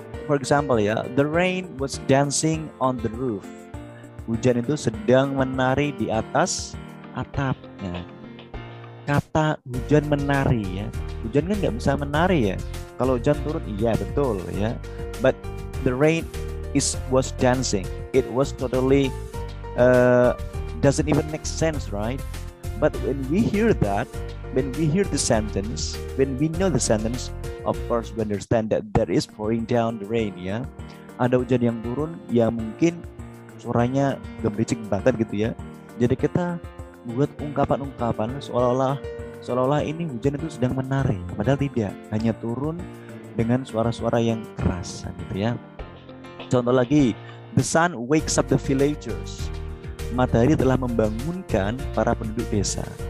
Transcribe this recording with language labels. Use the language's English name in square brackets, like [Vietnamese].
[English] For example ya, the rain was dancing on the roof. [Indonesian] Hujan itu sedang menari di atas atapnya. Kata hujan menari ya. Hujan kan enggak bisa menari ya. Kalau hujan turun iya betul ya. [English] But the rain was dancing. It was totally doesn't even make sense, right? But when we hear the sentence, of course we understand that there is pouring down the rain ya. [Indonesian] Ada hujan yang turun ya, mungkin suaranya gemericik banget gitu ya. Jadi kita buat ungkapan-ungkapan seolah-olah ini hujan itu sedang menari, padahal tidak, hanya turun dengan suara-suara yang keras gitu ya. Contoh lagi, [English] the sun wakes up the villagers. [Indonesian] Matahari telah membangunkan para penduduk desa.